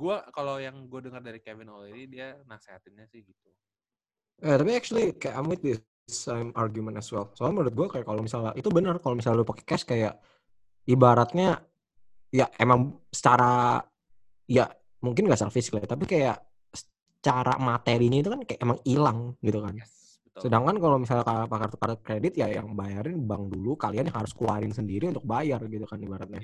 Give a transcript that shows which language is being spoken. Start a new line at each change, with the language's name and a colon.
Indonesian: Kalau yang gue dengar dari Kevin O'Leary, dia nasehatinnya sih gitu. Tapi
English: actually
Indonesian: kayak
English: I'm with this same argument as well.
Indonesian: Soalnya menurut gue kayak kalau misalnya itu benar, kalau misalnya lu pakai cash kayak ibaratnya ya emang secara ya mungkin nggak selfish lah, tapi kayak secara materinya itu kan kayak emang hilang gitu kan. Yes, sedangkan kalau misalnya pakai kartu kredit ya yang bayarin bank dulu, kalian harus keluarin sendiri untuk bayar gitu kan ibaratnya.